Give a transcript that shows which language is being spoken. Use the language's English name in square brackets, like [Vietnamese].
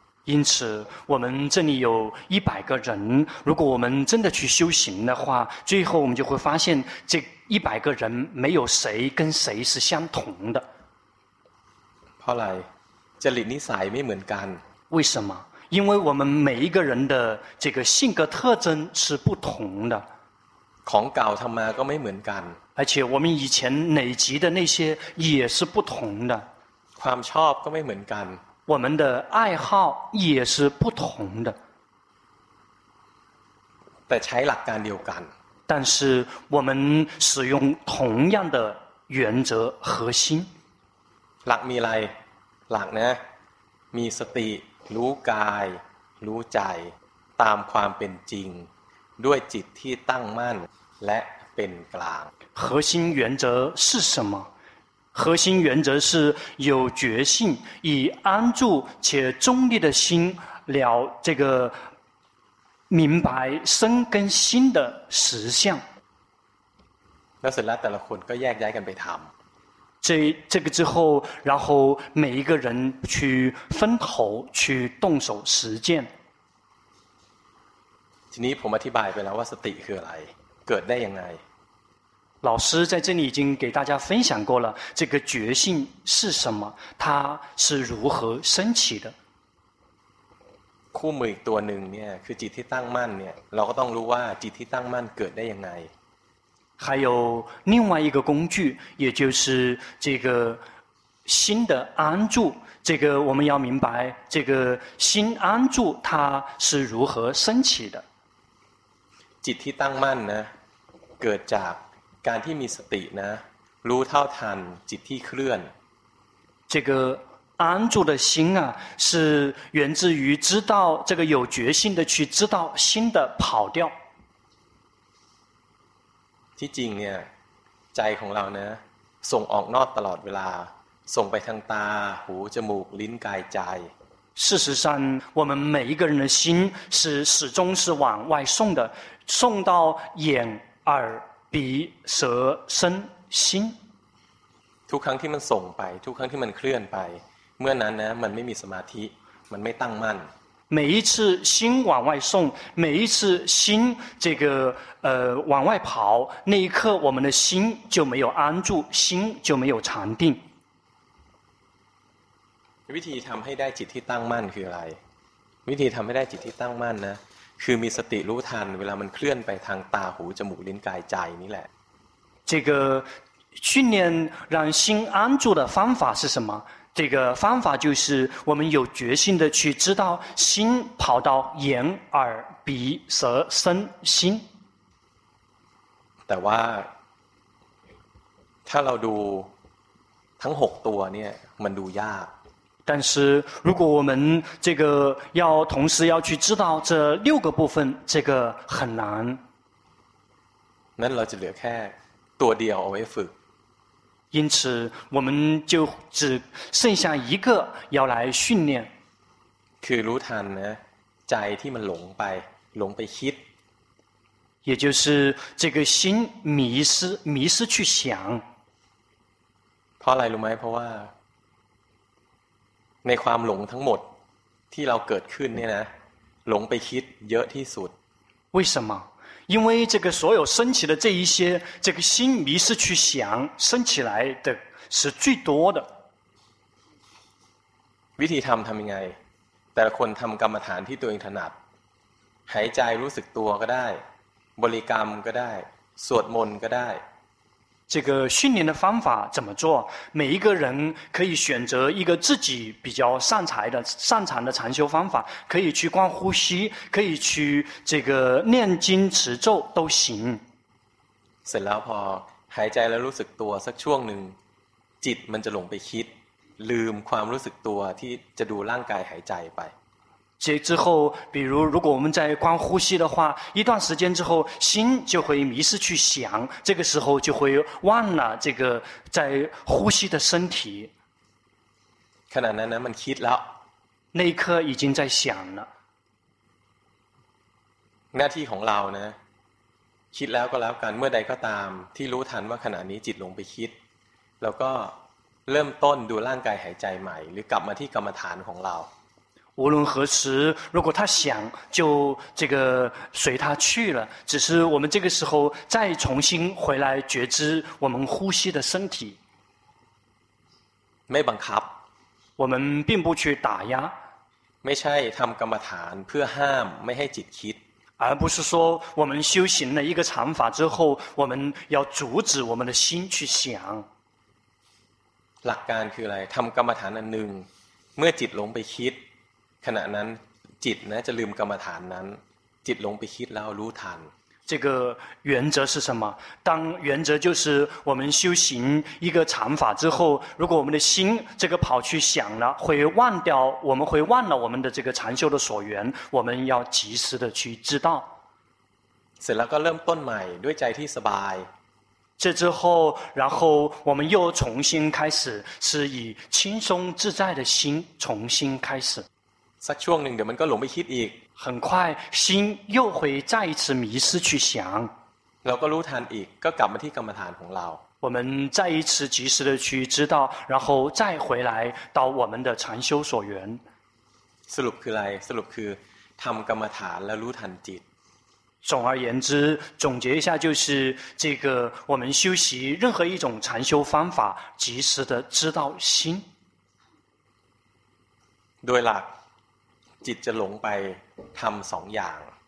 [Chinese] 因此我们这里有一百个人，如果我们真的去修行的话，最后我们就会发现这一百个人没有谁跟谁是相同的。后来这里你才没门干，为什么？因为我们每一个人的这个性格特征是不同的， [Thai] ของเก่าทำมาก็ไม่เหมือนกัน， [Chinese] 而且我们以前累积的那些也是不同的， [Thai] ความชอบก็ไม่เหมือนกัน， [Chinese] 我们的爱好也是不同的， [Thai] แต่ใช้หลักการเดียวกัน， [Chinese] 但是我们使用同样的原则核心， [Thai] หลักมีอะไร，หลักนะมีสติรู้กายรู้ใจตามความเป็นจริงด้วยจิตที่ตั้งมั่นและเป็นกลาง [Chinese] 核心原则是什么？核心原则是有觉性，以安住且中立的心了这个明白身跟心的实相。 [Thai] 那เสร็จแล้วแต่ละคนก็แยกย้ายกันไปทำ。 [Chinese] 这个之后，然后每一个人去分头去动手实践。 [Thai] ทีนี้ผมอธิบายไปแล้วว่าสติคืออะไรเกิดได้ยังไง。 [Chinese] 老师在这里已经给大家分享过了，这个觉性是什么，它是如何升起的。 [Thai] คู่มืออีกตัวหนึ่งเนี่ยคือจิตที่ตั้งมั่นเนี่ยเราก็ต้องรู้ว่าจิตที่ตั้งมั่นเกิดได้ยังไง。 [Chinese] 还有另外一个工具，也就是这个心的安住，这个我们要明白这个心安住它是如何升起的。 [Thai] จิตที่ตั้งมั่นนะเกิดจากการที่มีสตินะรู้เท่าทันจิตที่เคลื่อน。 [Chinese] 这个安住的心啊，是源自于知道这个有决心的去知道心的跑掉。 [Thai] ที่จริงเนี่ยใจของเรานะส่งออกนอกตลอดเวลาส่งไปทางตาหูจมูกลิ้นกายใจ。 [Chinese] 事实上，我们每一个人的心是始终是往外送的，送到眼、耳、鼻、舌、身、心。 [Thai] ทุกครั้งที่มันส่งไปทุกครั้งที่มันเคลื่อนไปเมื่อนั้นนะมันไม่มีสมาธิมันไม่ตั้งมั่น。 [Chinese] 每一次心往外送，每一次心这个往外跑，那一刻我们的心就没有安住，心就没有禅定。 [Thai] วิธีทำให้ได้จิตที่ตั้งมั่นคืออะไร？วิธีทำให้ได้จิตที่ตั้งมั่นนะคือมีสติรู้ทันเวลามันเคลื่อนไปทางตาหูจมูกลิ้นกายใจนี่แหละ。 [Chinese] 这个训练让心安住的方法是什么？这个方法就是我们有决心的去知道心跑到眼耳鼻舌身心。但是 [Thai] ถ้าเราดูทั้ง6ตัวเนี่ยมันดูยาก。 [Chinese] 但是如果我们这个要同时要去知道这六个部分，这个很难。 [Thai] นั่นเราจะเหลือแค่ตัวเดียวเอาไว้ฝึก。 [Chinese] 因此我们就只剩下一个要来训练。 [Thai] คือรู้ทันนะใจที่มันหลงไปหลงไปคิด。 [Chinese] 也就是这个心迷失去想。 [Thai] เพราะอะไรรู้ไหมเพราะว่าในความหลงทั้งหมดที่เราเกิดขึ้นเนี่ยนะหลงไปคิดเยอะที่สุด。 [Chinese] 为什么？因为这个所有升起的这一些这个心迷失去想升起来的是最多的。 [Thai] วิธีทำทำยังไงแต่ละคนทำกรรมฐานที่ตัวเองถนัดหายใจรู้สึกตัวก็ได้บริกรรมก็ได้สวดมนต์ก็ได้ [Chinese] 这个训练的方法怎么做？每一个人可以选择一个自己比较擅长的禅修方法，可以去观呼吸，可以去这个念经持咒都行。 [Thai] เสร็จแล้วพอหายใจแล้วรู้สึกตัวสักช่วงหนึ่งจิตมันจะหลงไปคิดลืมความรู้สึกตัวที่จะดูร่างกายหายใจไป。 [Chinese] 这之后，比如如果我们在观呼吸的话，一段时间之后，心就会迷失去想，这个时候就会忘了这个在呼吸的身体。 [Thai] ขณะนั้นมันคิดแล้ว， [Chinese] 那一刻已经在想了。 [Thai] หน้าที่ของเรานะคิดแล้วก็แล้วกันเมื่อใดก็ตามที่รู้ทันว่าขณะนี้จิตลงไปคิดแล้วก็เริ่มต้นดูร่างกายหายใจใหม่หรือกลับมาที่กรรมฐานของเรา。 [Chinese] 无论何时，如果他想，就这个随他去了。只是我们这个时候再重新回来觉知我们呼吸的身体。 [Thai] ไม่บังคับ。 [Chinese] 我们并不去打压。 [Thai] ไม่ใช่ทำกรรมฐานเพื่อห้ามไม่ให้จิตคิด。 [Chinese] 而不是说我们修行了一个禅法之后，我们要阻止我们的心去想。 [Thai] หลักการคืออะไรทำกรรมฐานอันหนึ่งเมื่อจิตหลงไปคิดขณะนั้นจิตนะจะลืมกรรมฐานนั้นจิตหลงไปคิดแล้วรู้ทัน [Chinese] 这个原则是什么当原则就是我们修行一个禅法之后如果我们的心这个跑去想了会忘掉我们会忘了我们的这个禅修的所缘我们要及时的去知道 [Thai] เสร็จแล้วก็เริ่มต้นใหม่ด้วยใจที่สบาย [Chinese] 这之后然后我们又重新开始是以轻松自在的心重新开始 [Thai] สักช่วงหนึ่งเดี๋ยวมันก็หลงไปคิดอีก [Chinese] 很快心又会再一次迷失去想 [Thai] เราก็รู้ทันอีกก็กลับมาที่กรรมฐานของเรา [Chinese] 我们再一次及时的去知道然后再回来到我们的禅修所缘 [Thai] สรุปคืออะไรสรุปคือทำกรรมฐานแล้วรู้ทันจิต [Chinese] 总而言之总结一下就是这个我们修习任何一种禅修方法及时的知道心 [Thai] โดยหลักจิตจะหลงไปทำสองอย่าง